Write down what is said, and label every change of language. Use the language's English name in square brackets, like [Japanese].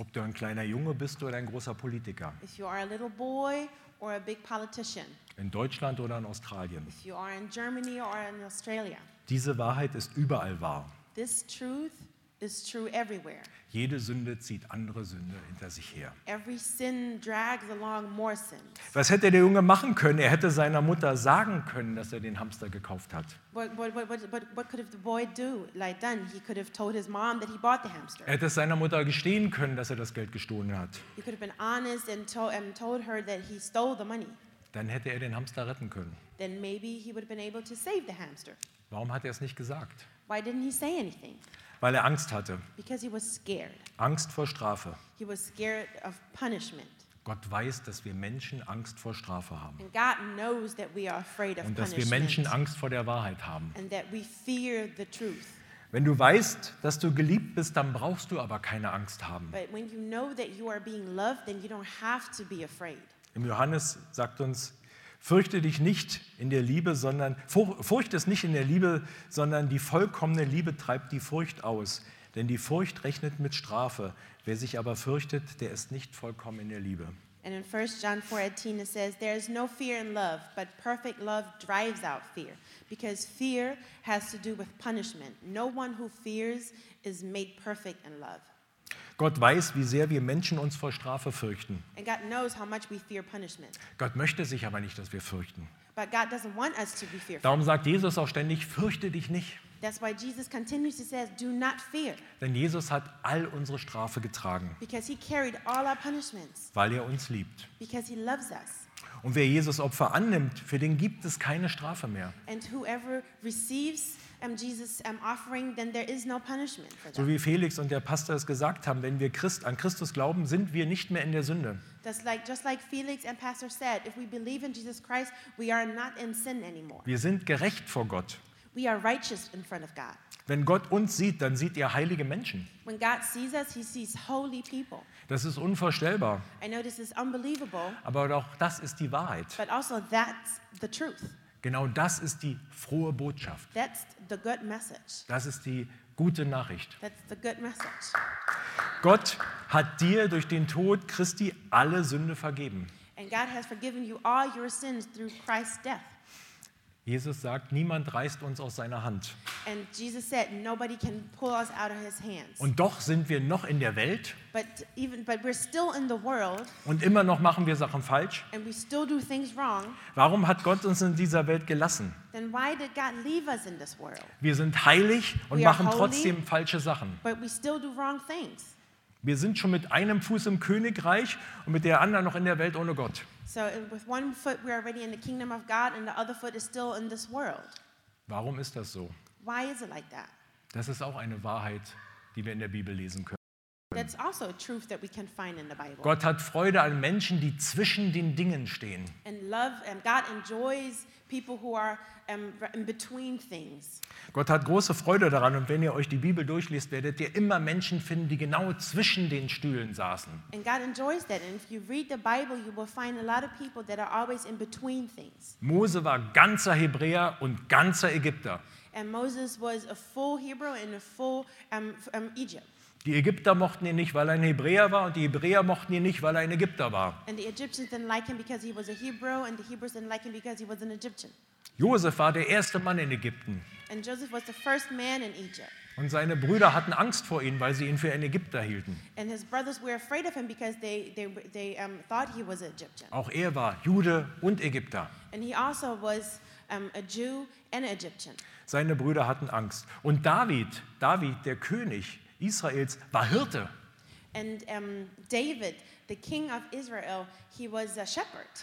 [German] Ob du ein kleiner Junge bist oder ein großer Politiker. [English] If you are a little boy or a big politician. [German] In Deutschland oder in Australien. [English] If you are in Germany or in Australia. [German] Diese Wahrheit ist überall wahr. [English] This truth is true everywhere. [German] Jede Sünde zieht andere Sünde hinter sich her. [English] Every sin drags along more sins. [German] Was hätte der Junge machen können? Er hätte seiner Mutter sagen können, dass er den Hamster gekauft hat. [English] What could have the boy do? Like then he could have told his mom that he bought the hamster. [German] Er hätte seiner Mutter gestehen können, dass er das Geld gestohlen hat. [English] He could have been honest and told her that he stole the money. [German] Dann hätte er den Hamster retten können. [English] Then maybe he would have been able to save the hamster. [German] Warum hat er es nicht gesagt? [English] Why didn't he say anything? [German] Weil er Angst hatte. [English] Because he was scared. [German] Angst vor Strafe. [English] He was scared of punishment. [German] Gott weiß, dass wir Menschen Angst vor Strafe haben. [English] And God knows that we are afraid of punishment. [German] Und dass wir Menschen Angst vor der Wahrheit haben. [English] And that we fear the truth. [German] Wenn du weißt, dass du geliebt bist, dann brauchst du aber keine Angst haben. [English] But when you know that you are being loved, then you don't have to be afraid. [German] Im Johannes sagt uns: Fürchte dich nicht in der Liebe, sondern Furcht ist nicht in der Liebe, sondern die vollkommene Liebe treibt die Furcht aus, denn die Furcht rechnet mit Strafe. Wer sich aber fürchtet, der ist nicht vollkommen in der Liebe. [English] And in 1 John 4:18 it says, there is no fear in love, but perfect love drives out fear, because fear has to do with punishment. No one who fears is made perfect in love. [German] Gott weiß, wie sehr wir Menschen uns vor Strafe fürchten. [English] And God knows how much we fear punishment. [German] Gott möchte sich aber nicht, dass wir fürchten. [English] But God doesn't want us to be fearful. [German] Darum sagt Jesus auch ständig, fürchte dich nicht. [English] That's why Jesus continuously says, do not fear. [German] Denn Jesus hat all unsere Strafe getragen. [English] Because he carried all our punishments. [German] Weil er uns liebt. [English] Because he loves us. [German] Und wer Jesus Opfer annimmt, für den gibt es keine Strafe mehr. [English] And whoever receives Jesus offering, then there is no punishment for that. [German] So wie Felix und der Pastor es gesagt haben, wenn wir an Christus glauben, sind wir nicht mehr in der Sünde. [English] Just like Felix and Pastor said, if we believe in Jesus Christ, we are not in sin anymore. [German] Wir sind gerecht vor Gott. [English] We are righteous in front of God. [German] Wenn Gott uns sieht, dann sieht er heilige Menschen. [English] When God sees us, he sees holy people. [German] Das ist unvorstellbar. [English] I know this is unbelievable. [German] Aber auch das ist die Wahrheit. [English] But also that's the truth. [German] Genau das ist die frohe Botschaft. [English] That's the good message. [German] Das ist die gute Nachricht. [English] That's the good message. [German] Gott hat dir durch den Tod Christi alle Sünde vergeben. [English] And God has forgiven you all your sins through Christ's death. [German] Jesus sagt, niemand reißt uns aus seiner Hand. [English] And Jesus said, nobody can pull us out of his hands. [German] Und doch sind wir noch in der Welt. [English] But we're still in the world. [German] Und immer noch machen wir Sachen falsch. [English] And we still do things wrong. [German] Warum hat Gott uns in dieser Welt gelassen? [English] Then why did God leave us in this world? [German] Wir sind heilig und machen trotzdem falsche Sachen. [English] But we still do wrong things. [German] Wir sind schon mit einem Fuß im Königreich und mit der anderen noch in der Welt ohne Gott. [English] So with one foot we are already in the kingdom of God and the other foot is still in this world. [German] Warum ist das so? [English] Why is it like that? [German] Das ist auch eine Wahrheit, die wir in der Bibel lesen können. [English] That's also a truth that we can find in the Bible. [German] Gott hat Freude an Menschen, die zwischen den Dingen stehen. [English] And love and God enjoys people who are in between things. [German] Gott hat große Freude daran und wenn ihr euch die Bibel durchliest, werdet ihr immer Menschen finden, die genau zwischen den Stühlen saßen. [English] And God enjoys that. And if you read the Bible, you will find a lot of people that are always in between things. [German] Mose war ganzer Hebräer und ganzer Ägypter. [English] And Moses was a full Hebrew and a full Egypt. [German] Die Ägypter mochten ihn nicht, weil er ein Hebräer war, und die Hebräer mochten ihn nicht, weil er ein Ägypter war. [English] And the Egyptians didn't like him because he was a Hebrew, and the Hebrews didn't like him because he was an Egyptian. [German] Josef war der erste Mann in Ägypten. [English] And Joseph was the first man in Egypt. [German] Und seine Brüder hatten Angst vor ihm, weil sie ihn für einen Ägypter hielten. [English] And his brothers were afraid of him because they thought he was an Egyptian. [German] Auch er war Jude und Ägypter. [English] And he also was a Jew and an Egyptian. [German] Seine Brüder hatten Angst. Und David, der König Israels, war Hirte. [English] And David, the king of Israel, he was a shepherd.